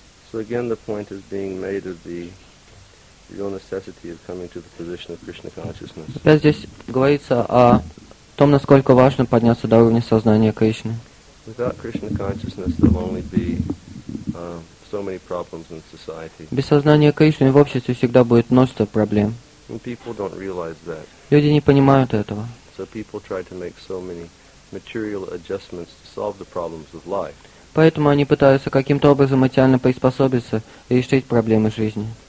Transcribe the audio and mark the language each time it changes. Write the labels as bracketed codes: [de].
[en] So again, the point is being made of the real necessity of coming to the position of Krishna consciousness. [ru] Опять здесь говорится о том, насколько важно подняться до уровня сознания Кришны. [en] Without Krishna consciousness, there'll only be so many problems in society. [ru] Без сознания Кришны в обществе всегда будет множество проблем. [en] And people don't realize that. [ru] Люди не понимают этого. [en] So people try to make so many material adjustments to solve the problems of life. [ru] Поэтому они пытаются каким-то образом материально приспособиться и решить проблемы жизни.